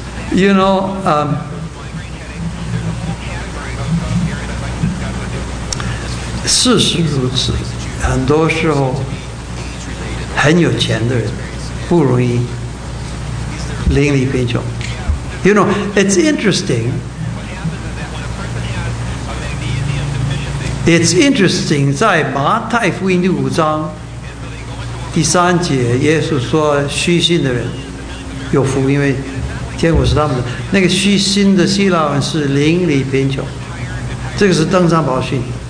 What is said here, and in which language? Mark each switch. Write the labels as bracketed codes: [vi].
[en] You know, [zh] 事实如此，很多时候很有钱的人不容易邻里贫穷。 [en] You know, it's interesting. It's interesting. [zh] 在马太福音第五章第三节，耶稣说虚心的人有福，因为天国是他们的。那个虚心的希腊文是邻里贫穷，这个是登山宝训。